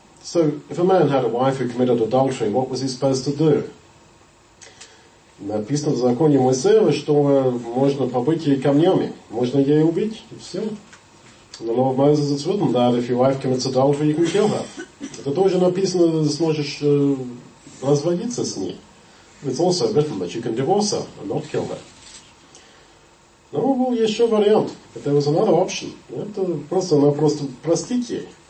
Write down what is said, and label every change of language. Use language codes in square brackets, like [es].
[en] So, if a man had a wife who committed adultery, what was he supposed to do? [ru] Написано в законе Моисея, что можно побыть ей камнями. Можно ей убить, и все. [en] The law of Moses is written that if your wife commits adultery, you can kill her. [ru] Это тоже написано, сможешь разводиться с ней. [en] It's also written that you can divorce her and not kill her. [ru] Но был еще вариант. [en] There was another option. [ru] Это просто, она просто простить ей.